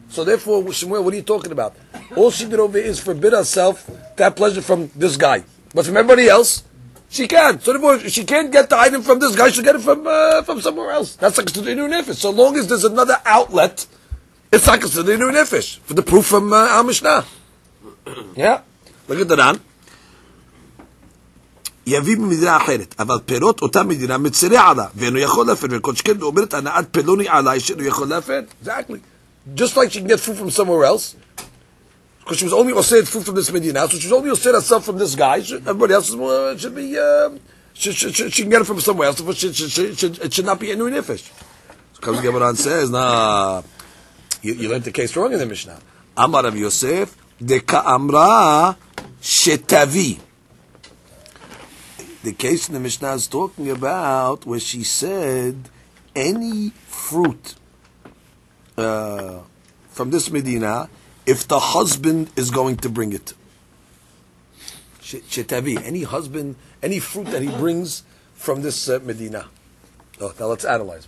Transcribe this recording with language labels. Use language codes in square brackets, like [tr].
[en] So therefore, Shmuel, what are you talking about? All she did over here is forbid herself that pleasure from this guy. But from everybody else, she can. So therefore, if she can't get the item from this guy, she'll get it from somewhere else. That's not considered inu nefesh. So long as there's another outlet, it's not considered inu nefesh. For the proof from our Mishnah. Yeah? Look at the Ran. [he] יביא במדינה אחרת, אבל פירות אותה מדינה מצרי עלה, ואינו יכול להפר, וכל שכן אומרת, הנעת פלוני עלי, שאינו יכול להפר. [en] Exactly. Just like she can get food from somewhere else, because she was only said food from this מדינה, so she was only said herself from this guy, everybody else should be, she can get it from somewhere else, but it should not be אינוי נפש. So comes the Gemara and says, nah, you learned the case wrong in the Mishnah. [he] אמר רב יוסף, דקה אמרה שתביא. [en] The case in the Mishnah is talking about where she said any fruit from this Medina if the husband is going to bring it. Shetavi, any husband, any fruit that he brings from this Medina. Oh, now let's analyze.